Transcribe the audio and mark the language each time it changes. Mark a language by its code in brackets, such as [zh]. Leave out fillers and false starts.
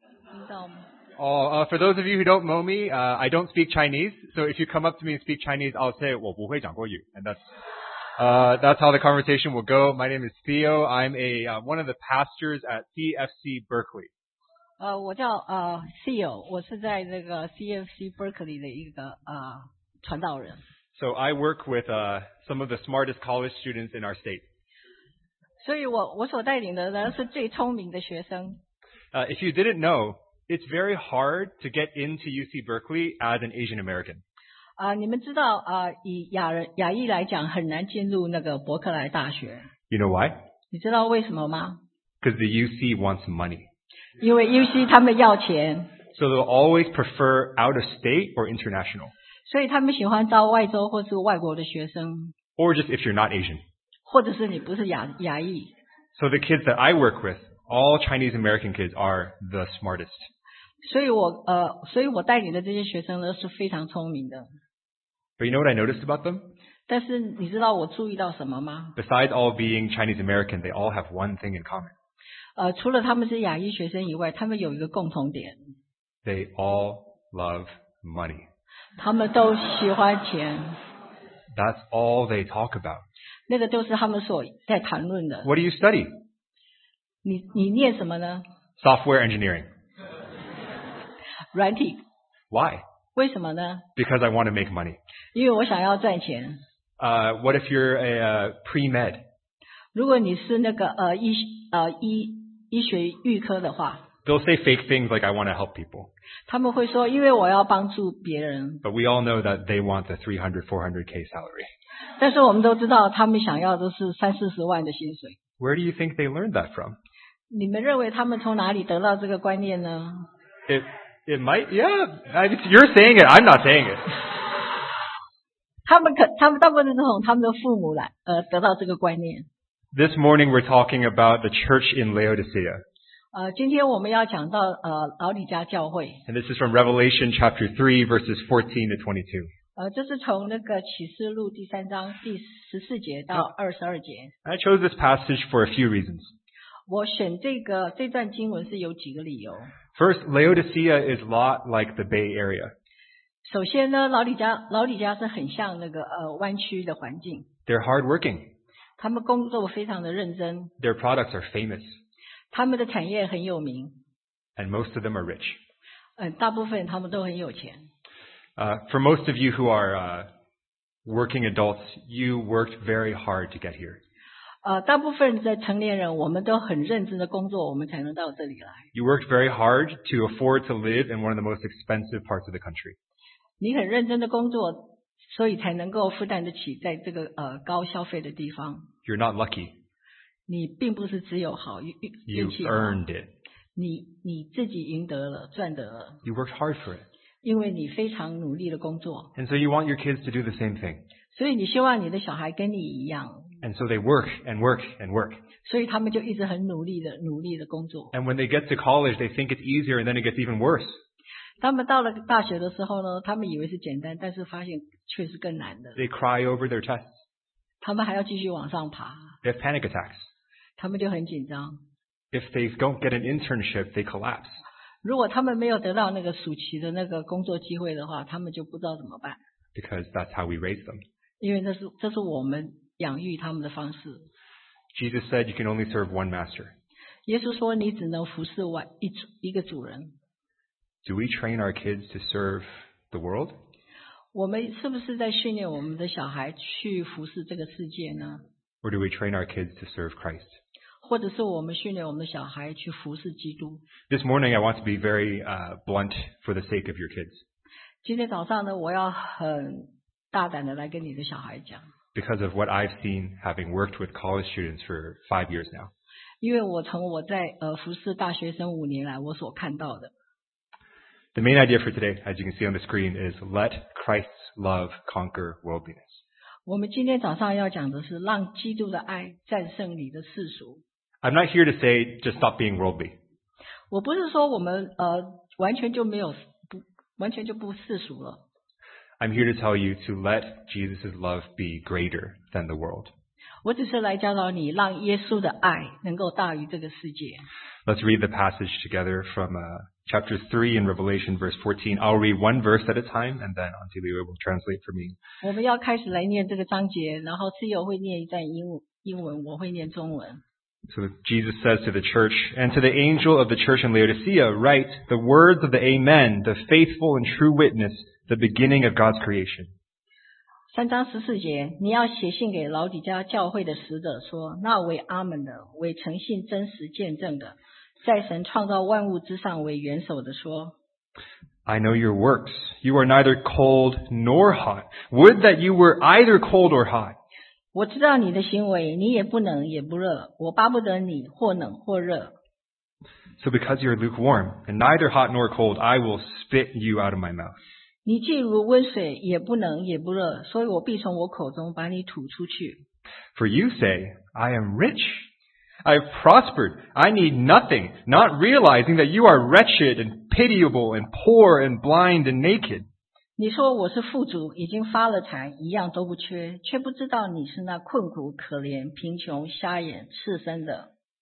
[zh] 听到吗？ [en] Oh, for those of you who don't know me, I don't speak Chinese. So if you come up to me and speak Chinese, I'll say [zh] 我不会讲国语 [en] and that's how the conversation will go. My name is Theo. I'm a one of the pastors at CFC Berkeley. [zh] 我叫Theo. 我是在这个 CFC Berkeley 的一个传道人。 [en] So I work with some of the smartest college students in our state. [zh] 所以我所带领的呢是最聪明的学生。 [en] If you didn't know. It's very hard to get into UC Berkeley as an Asian American. [zh] 你们知道以亚裔来讲很难进入那个伯克莱大学。 [en] You know why? [zh] 你知道为什么吗？ [en] Because the UC wants money. [zh] 因为 UC 他们要钱。 [en] So they'll always prefer out of state or international. [zh] 所以他们喜欢招外州或是外国的学生。 [en] Or just if you're not Asian. [zh] 或者是你不是亚裔。 [en] So the kids that I work with,All Chinese American kids are the smartest. [zh] 所以我带领的这些学生呢是非常聪明的。 [en] But you know what I noticed about them? [zh] 但是你知道我注意到什么吗？ [en] Besides all being Chinese American, they all have one thing in common. [zh] 除了他们是亚裔学生以外，他们有一个共同点。 [en] They all love money. [zh] 他们都喜欢钱。 [en] That's all they talk about. [zh] 那个都是他们所在谈论的。 [en] What do you study? [zh] 你念什么呢 [en] ？Software engineering. [zh] 软体。 [en] Why? [zh] 为什么呢 [en] ？Because I want to make money. [zh] 因为我想要赚钱。 [en] What if you're a pre-med? [zh] 如果你是那个医学预科的话。 [en] They'll say fake things like I want to help people. [zh] 他们会说因为我要帮助别人。 [en] But we all know that they want the $300,000-$400,000 salary. [zh] 但是我们都知道他们想要的是三四十万的薪水。 [en] Where do you think they learned that from? [zh] 你们认为他们从哪里得到这个观念呢？ [en] It might, yeah. You're saying it, I'm not saying it. [zh] 他们大部分是从他们的父母来得到这个观念。 [en] This morning we're talking about the church in Laodicea. [zh] 今天我们要讲到老底嘉教会。 [en] And this is from Revelation chapter 3 verses 14 to 22. [zh] 这是从那个启示录第三章第十四节到二十二节。 [en] I chose this passage for a few reasons. [zh] 我选这段经文是有几个理由。 [en] First, Laodicea is a lot like the Bay Area. [zh] 首先呢，老底嘉是很像那个湾区的环境。 [en] They're hardworking. [zh] 他们工作非常的认真。 [en] Their products are famous. [zh] 他们的产业很有名。 [en] And most of them are rich. [zh] 大部分他们都很有钱。 [en] For most of you who are working adults, you worked very hard to get here. [zh] 大部分的成年人，我们都很认真的工作，我们才能到这里来。 [en] You worked very hard to afford to live in one of the most expensive parts of the country. [zh] 你很认真的工作，所以才能够负担得起在这个高消费的地方。 [en] You're not lucky. [zh] 你并不是只有好运气。 [en] You earned it. [zh] 你自己赢得了，赚得了。 [en] You worked hard for it. [zh] 因为你非常努力的工作。 [en] And so you want your kids to do the same thing. [zh] 所以你希望你的小孩跟你一样。 [en] And so they work and work and work. [zh] 所以他们就一直很努力的工作。 [en] And when they get to college, they think it's easier and then it gets even worse. [zh] 他们到了大学的时候呢，他们以为是简单，但是发现却是更难的。 [en] They cry over their tests. [zh] 他们还要继续往上爬。 [en] They have panic attacks. [zh] 他们就很紧张。 [en] If they don't get an internship, they collapse. [zh] 如果他们没有得到那个暑期的那个工作机会的话，他们就不知道怎么办。 [en] Because that's how we raise them. [zh] 因为这是我们养育他们的方式。 [en] Jesus said you can only serve one master. [zh] 耶稣说你只能服侍一个主人。 [en] Do we train our kids to serve the world? [zh] 我们是不是在训练我们的小孩去服侍这个世界呢？ [en] Or do we train our kids to serve Christ? [zh] 或者是我们训练我们的小孩去服侍基督。 [en] This morning, I want to be very blunt for the sake of your kids. [zh] 今天早上呢，我要很大胆的来跟你的小孩讲。 [en] Because of what I've seen, having worked with college students for 5 years now. [zh] 因为我从我在服侍大学生五年来，我所看到的。 [en] The main idea for today, as you can see on the screen, is let Christ's love conquer worldliness. [zh] 我们今天早上要讲的是让基督的爱战胜你的世俗。 [en] I'm not here to say just stop being worldly. [zh] 我不是说我们完全就没有完全就不世俗了。 [en] I'm here to tell you to let Jesus' love be greater than the world. [zh] 我只是来教导你，让耶稣的爱能够大于这个世界。 [en] Let's read the passage together from chapter 3 in Revelation verse 14. I'll read one verse at a time, and then Auntie Liwei will translate for me. [zh] 我们要开始来念这个章节，然后室友会念一段英文，我会念中文。 [en] So Jesus says to the church, and to the angel of the church in Laodicea, write the words of the Amen, the faithful and true witness, the beginning of God's creation. [zh] 三章十四节，你要写信给老底家教会的使者说，那为阿门的，为诚信真实见证的，在神创造万物之上为元首的说。 [en] I know your works. You are neither cold nor hot. Would that you were either cold or hot. [zh] 我知道你的行为，你也不冷也不热，我巴不得你或冷或热。 [en] So because you're lukewarm and neither hot nor cold, I will spit you out of my mouth. [zh] 你既如温水，也不冷也不热，所以我必从我口中把你吐出去。 [en] For you say, I am rich, I have prospered, I need nothing, not realizing that you are wretched and pitiable and poor and blind and naked. [zh] 你说我是富足，已经发了财，一样都不缺，却不知道你是那困苦、可怜、贫穷、瞎眼、赤身的。